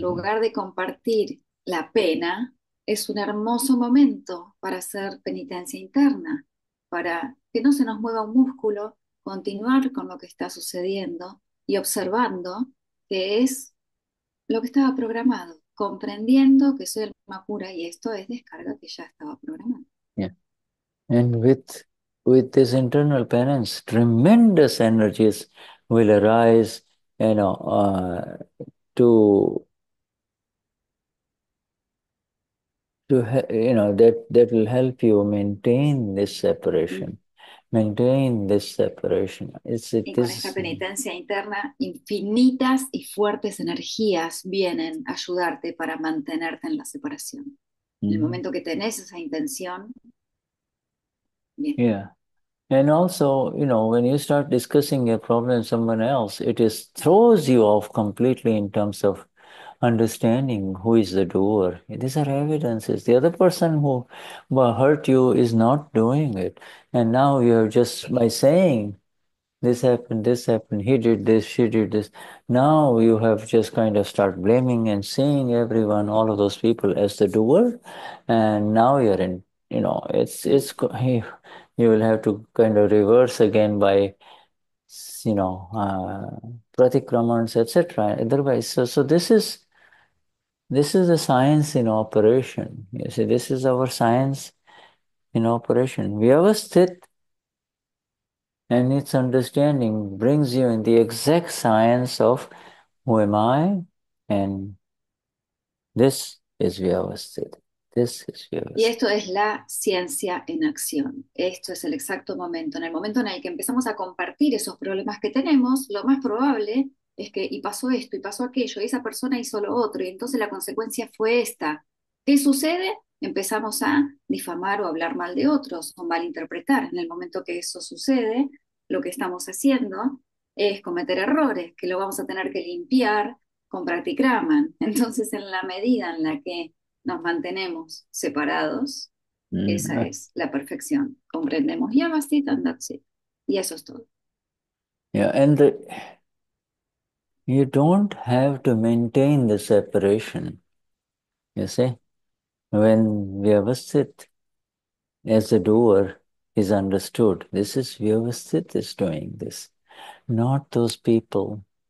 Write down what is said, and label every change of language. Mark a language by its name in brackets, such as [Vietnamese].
[Spanish] lugar de compartir la pena, es un hermoso momento para hacer penitencia interna, para que no se nos mueva un músculo, continuar con lo que está sucediendo y observando que es lo que estaba programado, comprendiendo que soy el alma pura y esto es descarga que ya estaba programado. [English] And with this internal penance, tremendous energies will arise, that will help you maintain this separation. Maintain this separation. Is it [Spanish] Y con esta [English] this? [Spanish] penitencia interna, infinitas y fuertes energías vienen a ayudarte para mantenerte en la separación. En el momento que tenés esa intención, bien. [English] And also, when you start discussing a problem with someone else, it is throws you off completely in terms of understanding who is the doer. These are evidences. The other person who hurt you is not doing it. And now you are just by saying, this happened, he did this, she did this. Now you have just kind of start blaming and seeing everyone, all of those people as the doer. And now you're in, you will have to kind of reverse again by, pratikramans, etc. Otherwise, so this is a science in operation. You see, this is our science in operation. Vyavasthit and its understanding brings you in the exact science of who am I, and this is Vyavasthit. This is [Spanish] Y [English] Vyavasthit. [Spanish] esto es la ciencia en acción. Esto es el exacto momento. En el momento en el que empezamos a compartir esos problemas que tenemos, lo más probable es que, y pasó esto, y pasó aquello, y esa persona hizo lo otro, y entonces la consecuencia fue esta. ¿Qué sucede? Empezamos a difamar o hablar mal de otros o malinterpretar. En el momento que eso sucede, lo que estamos haciendo es cometer errores que lo vamos a tener que limpiar con pratikraman. Entonces, en la medida en la que nos mantenemos separados, esa es la perfección. Comprendemos Yavasti, [English] and that's it. [Spanish] Y eso es todo. [English] Yeah, and you don't have to maintain the separation. You see, when Vyavasthit as a doer is understood, this is Vyavasthit is doing this, not those people.